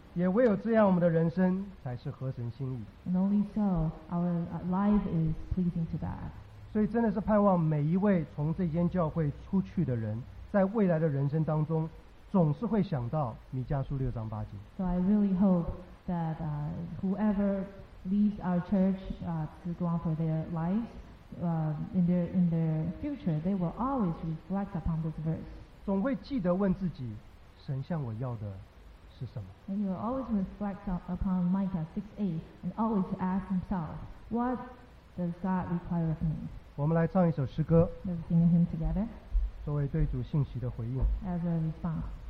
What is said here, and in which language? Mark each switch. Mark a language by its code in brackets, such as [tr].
[zh] 也唯有这样，我们的人生才是合神心意。 [en] And only so our life is pleasing to God. [zh] 所以，真的是盼望每一位从这间教会出去的人，在未来的人生当中，总是会想到弥迦书六章八节。 [en] So I really hope that whoever leaves our church to go on for their lives in their future, they will always reflect upon this verse. [zh] 总会记得问自己，神向我要的是什么。 [en] And he will always reflect upon Micah 6:8 and always ask himself, what does God require of me? [zh] 我们来唱一首诗歌。 [en] Let's sing a hymn together. [zh] 作为对主信息的回应。 [en] As a response.